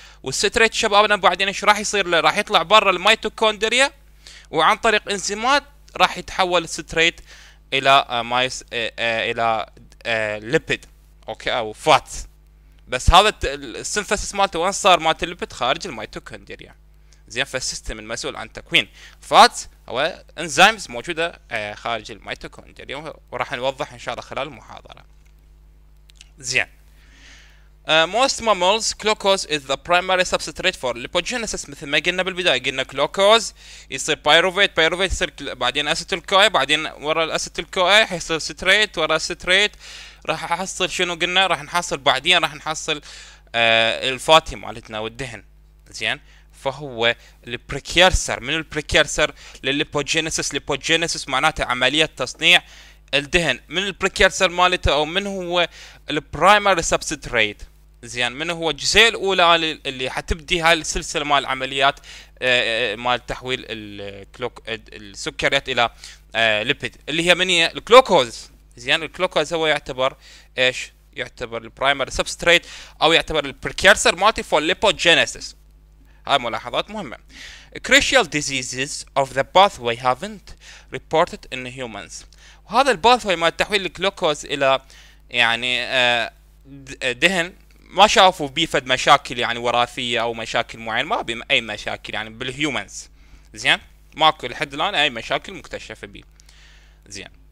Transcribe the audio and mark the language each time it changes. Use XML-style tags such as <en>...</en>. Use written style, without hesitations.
<ar>والستريت شبابنا بعدين ايش راح يصير له؟ راح يطلع برا الميتوكوندريا، وعن طريق انزيمات راح يتحول الستريت الى مايس الى ليبيد، اوكي، او فات. بس هذا السنثسيس مالته وين صار؟ مالت الليبيد خارج الميتوكوندريا، زين. فالسيستم المسؤول عن تكوين فات هو انزيمز موجوده خارج الميتوكوندريا، وراح نوضح ان شاء الله خلال المحاضره، زين.</ar> <en>Most mammals, glucose is the primary substrate for lipogenesis.</en> <ar>مثل ما قلنا بالبداية، قلنا glucose يصير pyruvate، pyruvate يصير بعدين acetyl CoA، بعدين وراء acetyl CoA حيصير citrate، وراء citrate راح أحصل شنو قلنا؟ راح نحصل بعدين راح نحصل الفاتي مالتنا والدهن، زين. فهو البريكيرسر، من البريكيرسر للليبوجينيسيس. ليبوجينيسيس معناته عملية تصنيع الدهن. من البريكيرسر مالته او من هو البرايمري سبستريت، زين، من هو الجزيء الاولى اللي حتبدي هاي السلسله مال العمليات مال تحويل السكريات الى ليبيد، اللي هي من هي؟ الجلوكوز، زين. الجلوكوز هو يعتبر ايش؟ يعتبر البرايمري سبستريت او يعتبر البريكيرسر مالتي فور ليبوجينيسيس. هاي ملاحظات مهمه.</ar> <en>Crucial diseases of the pathway haven't reported in humans.</en> <ar>هذا الباثوي مال تحويل الجلوكوز الى يعني دهن ما شافوا بيه فد مشاكل يعني وراثيه او مشاكل معينه، ما بهم اي مشاكل يعني بالهيومنز، زين. ماكو لحد الان اي مشاكل مكتشفه بيه، زين.</ar>